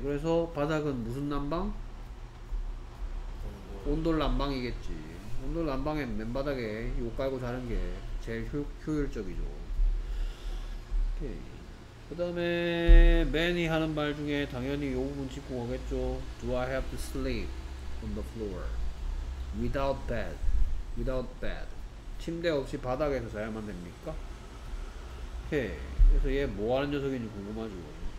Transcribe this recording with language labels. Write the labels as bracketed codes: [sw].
[ko] 그래서 바닥은 무슨 난방? 온돌 난방이겠지. 온돌 난방에 맨바닥에 욕 깔고 자는 게 제일 효율적이죠. 그 다음에 맨이 하는 말 중에 당연히 요 부분 짚고 가겠죠. [en] Do I have to sleep on the floor without bed? Without bed. [ko] 침대 없이 바닥에서 자야만 됩니까? 오케이. 그래서 얘 뭐 하는 녀석인지 궁금하죠.